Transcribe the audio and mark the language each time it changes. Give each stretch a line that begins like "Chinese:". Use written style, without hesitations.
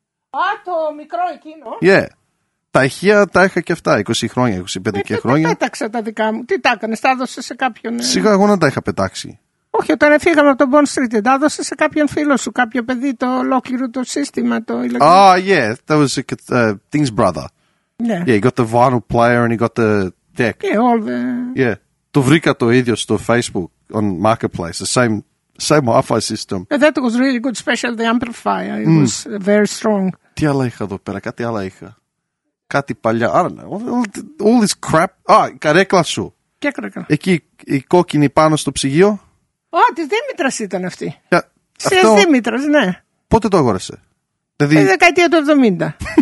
Greek: Α, το μικρό εκείνο.
English: Yeah.
Greek: Τα ηχεία τα είχα και αυτά, 20 χρόνια, 25 και χρόνια. Τι πέταξα τα δικά μου, τι τα έκανες, τα έδωσες σε κάποιον. Σιγά εγώ να τα είχα πετάξει. Όχι, όταν έφυγαμε από τον Bond Street, τα έδωσες σε κάποιον φίλο σου, κάποιο παιδί, το ολόκληρο το σύστημα, το ηλεκτρικό.
English: Ah, yeah, that was Things Brother. Yeah. Yeah, he got the vinyl player and he got the deck. Yeah, all the... Yeah,
Greek: το βρήκα το ίδιο στο
English: Facebook, on Marketplace, the same Wi-Fi system. Yeah, that was really good, especially the amplifier, it was very strong.
Greek: Τι άλλα είχα εδώ πέρα, κάτι άλλα είχα. Κάτι παλιά.
English: All this crap.
Greek: Α, η καρέκλα σου. Ποια καρέκλα? Εκεί η κόκκινη πάνω στο ψυγείο. Α, τη Δήμητρα ήταν αυτή. Τη Δήμητρα, ναι. Πότε το αγόρασε? Τη δεκαετία του 70.